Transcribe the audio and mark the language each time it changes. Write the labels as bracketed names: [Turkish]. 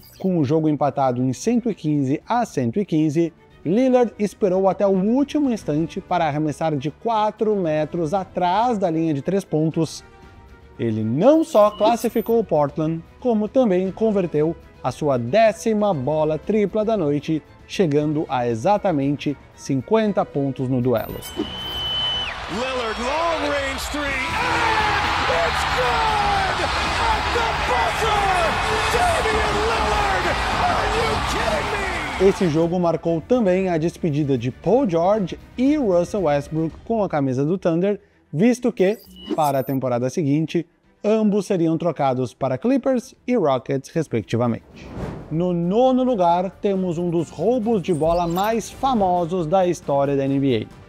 [Portuguese] Com o jogo empatado em 115 a 115, Lillard esperou até o último instante para arremessar de 4 metros atrás da linha de 3 pontos. Ele não só classificou o Portland, como também converteu a sua 10ª bola tripla da noite, chegando a exatamente 50 pontos no duelo. [English] Lillard, long range three, and it's good! At the buzzer, Damian Lillard! Are you kidding me? [Portuguese] Esse jogo marcou também a despedida de Paul George e Russell Westbrook com a camisa do Thunder, visto que, para a temporada seguinte, ambos seriam trocados para Clippers e Rockets, respectivamente. No nono lugar, temos um dos roubos de bola mais famosos da história da NBA.